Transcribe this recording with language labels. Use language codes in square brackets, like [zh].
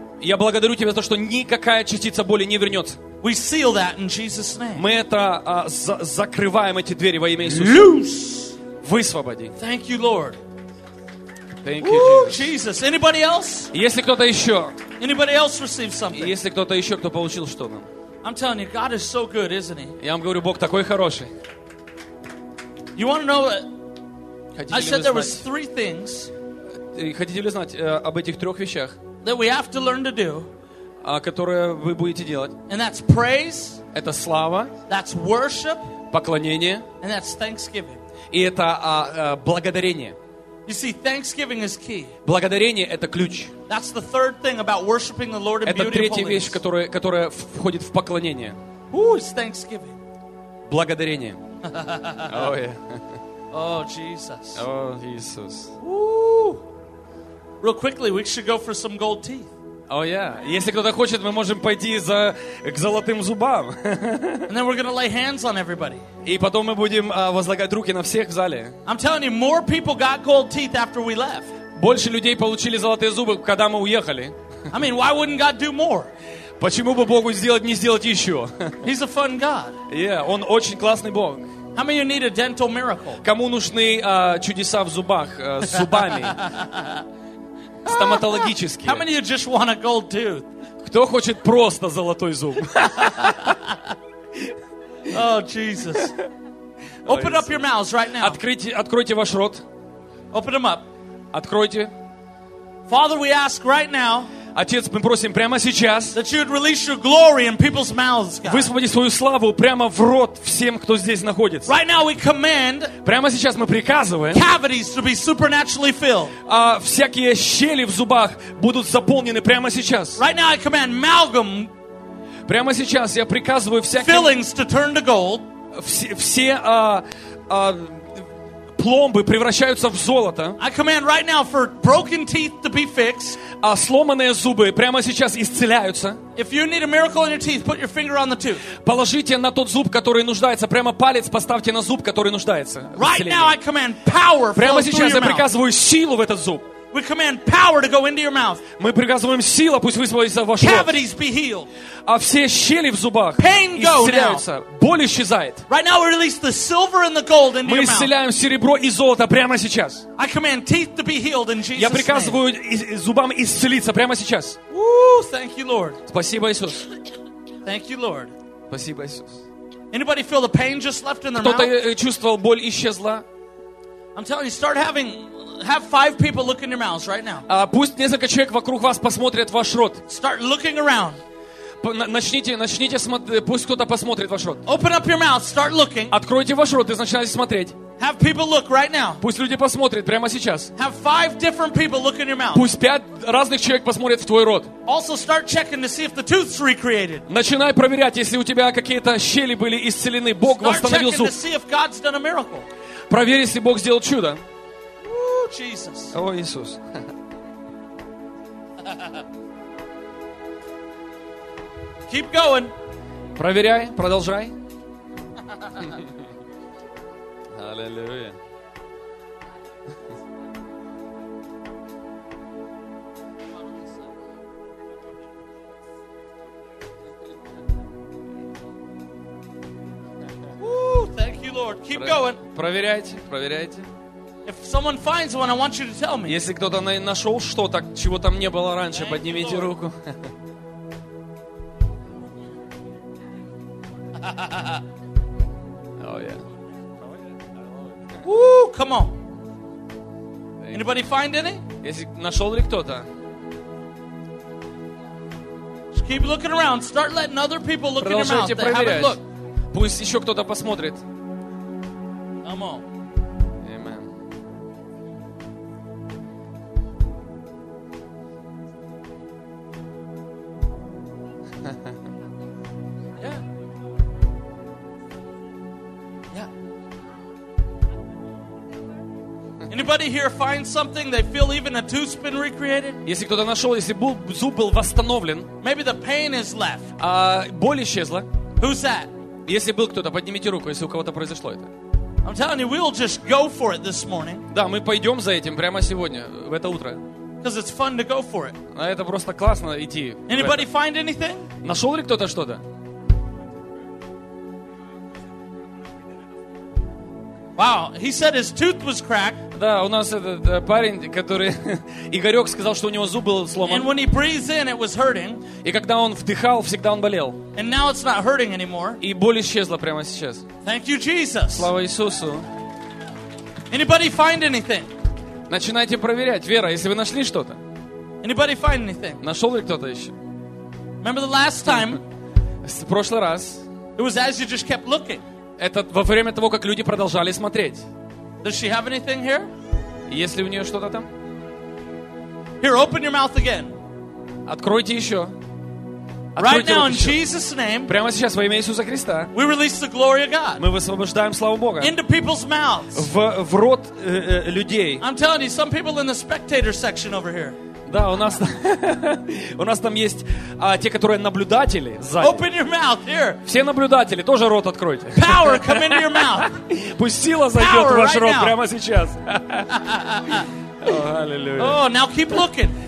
[ru] Я благодарю тебя за то, что никакая частица боли не вернется. [en] We seal that in Jesus' name. [ru] Мы это закрываем эти двери во имя Иисуса. [en] Loose. [ru] Высвободи. [en] Thank you, Lord. Thank you, Jesus. Jesus. Anybody else? [ru] Если кто-то еще. [en] Anybody else receive something? [ru] Если кто-то еще, кто получил что-то. [en] I'm telling you, God is so good, isn't He? [ru] Я вам говорю, Бог такой хороший. [en] You want to know that? [ru] Хотите [en] I said there was 3 things. [ru] Хотите ли знать об этих трех вещах? [en] That we have to learn to do. [ru] Которые вы будете делать. [en] And that's praise. [ru] Это слава. [en] That's worship. [ru] Поклонение. [en] And that's thanksgiving. [ru] И это благодарение. [en] You see, thanksgiving is key. [ru] Благодарение — это ключ. [en] That's the third thing about worshiping the Lord in beauty. [ru] Это третья вещь, которая входит в поклонение. [en] Ooh, it's thanksgiving. [ru] Благодарение. [en] Oh yeah. Oh Jesus. Oh Jesus. Ooh. Real quickly, we should go for some gold teeth. Oh yeah. [ru] Если кто-то хочет, мы можем пойти к золотым зубам. [en] And then we're going to lay hands on everybody. [ru] И потом мы будем возлагать руки на всех в зале. [en] I'm telling you, more people got gold teeth after we left. [ru] Больше людей получили золотые зубы, когда мы уехали. [en] I mean, why wouldn't God do more? [ru] Почему бы Богу не сделать еще? [en] He's a fun God. [ru] Yeah, он очень классный Бог. [en] How many of you need a dental miracle? [ru] Кому нужны чудеса в зубах, с зубами? Стоматологически. [en] How many of you just want a gold tooth? [ru] Кто хочет просто золотой зуб? [en] Oh, Jesus. Open up your mouths right now. [ru] Откройте ваш рот. [en] Open them up. [ru] Откройте. [en] Father, we ask right now. [ru] Отец, мы просим прямо сейчас. [en] That you would release your glory in people's mouths, God. [ru] Высвободи свою славу прямо в рот всем, кто здесь находится. [en] Right now we command. [ru] Прямо сейчас мы приказываем. [en] Cavities to be supernaturally filled. [ru] Всякие щели в зубах будут заполнены прямо сейчас. [en] Right now I command amalgam. [ru] Прямо сейчас я приказываю всякие. [en] Fillings to turn to gold. [ru] Все пломбы превращаются в золото. [en] I command right now for broken teeth to be fixed. [ru] А сломанные зубы прямо сейчас исцеляются. [en] If you need a miracle on your teeth, put your finger on the tooth. [ru] Положите на тот зуб, который нуждается. Прямо палец поставьте на зуб, который нуждается. [en] Right now I command power. [ru] Прямо сейчас я приказываю силу в этот зуб. [en] We command power to go into your mouth. [ru] Мы приказываем силу, пусть высвободится в ваш рот. [en] Cavities be healed. [ru] А все щели в зубах исцеляются. Боль исчезает. [en] Right now we release the silver and the gold into your mouth. [ru] Мы исцеляем серебро и золото прямо сейчас. [en] I command teeth to be healed in Jesus' name. [ru] Я приказываю зубам исцелиться прямо сейчас. [en] Woo, thank you, Lord. [ru] Спасибо, Иисус. [en] Thank you, Lord. [ru] Спасибо, Иисус. [en] Anybody feel the pain just left in their [ru] Кто-то [en] mouth? [ru] Кто-то чувствовал боль исчезла? [en] I'm telling you, start having have five people look in your mouths right now. [ru] Пусть несколько человек вокруг вас посмотрят в ваш рот. [en] Start looking around. [ru] Начните пусть кто-то посмотрит ваш рот. [en] Open up your mouth, start looking. [ru] Откройте ваш рот и начинайте смотреть. [en] Have people look right now. [ru] Пусть люди посмотрят прямо сейчас. [en] Have five different people look in your mouth. [ru] Пусть пять разных человек посмотрят в твой рот. [en] Also start checking to see if the tooth's recreated. [ru] Начинай проверять, если у тебя какие-то щели были исцелены, Бог восстановил зуб. [en] Start checking to see if God's done a miracle. [ru] Проверь, если Бог сделал чудо. [en] Jesus. [ru] О, Иисус. [en] Keep going. [ru] Проверяй, продолжай. Аллилуйя. [en] Woo, thank you, Lord. Keep going. [ru] Проверяйте, проверяйте. [en] If someone finds one, I want you to tell me. [ru] Если кто-то нашел что-то, чего там не было раньше, поднимите руку. [en] Oh yeah. Woo, come on. Anybody find any? [ru] Если нашел ли кто-то? [en] Just keep looking around. Start letting other people look in your mouth. [ru] Продолжайте проверять. Пусть еще кто-то посмотрит. [en] Come on. Anybody here find something they feel even a tooth's been recreated? [ru] Если кто-то нашел, если зуб был восстановлен. [en] Maybe the pain is left. [ru] Боль исчезла. [en] Who's that? [ru] Если был кто-то, поднимите руку, если у кого-то произошло это. [en] I'm telling you, we'll just go for it this morning. [ru] Да, мы пойдем за этим прямо сегодня, в это утро. [en] Because it's fun to go for it. [ru] А это просто классно идти. [en] Anybody find anything? [ru] Нашел ли кто-то что-то? [en] Wow, he said his tooth was cracked. [ru] Да, у нас этот парень, который Игорёк сказал, что у него зуб был сломан. [en] And when he breathes in, it was hurting. [ru] И когда он вдыхал, всегда он болел. [en] And now it's not hurting anymore. [ru] И боль исчезла прямо сейчас. [en] Thank you, Jesus. [ru] Слава Иисусу. [en] Anybody find anything? [ru] Начинайте проверять, Вера, если вы нашли что-то. [en] Anybody find anything? [ru] Нашёл ли кто-то ещё? [en] Remember the last time? [ru] В прошлый раз. [en] It was as you just kept looking. [ru] Это во время того, как люди продолжали смотреть. [en] Does she have anything here? [ru] Есть ли у нее что-то там? [en] Here, open your mouth again. [ru] Откройте еще. [en] Right now, in Jesus' name. [ru] Прямо сейчас во имя Иисуса Христа. [en] We release the glory of God. [ru] Мы высвобождаем славу Бога. [en] Into people's mouths. [ru] В рот людей. [en] I'm telling you, some people in the spectator section over here. [ru] Да, у нас там есть те, которые наблюдатели. Сзади. [en] Open your mouth here. [ru] Все наблюдатели, тоже рот откройте. [en] Power, come into your mouth. [ru] Пусть сила зайдет [en] Power, [ru] в ваш [en] right [ru] рот now. Прямо сейчас. Аллилуйя. [en] Oh, now keep looking.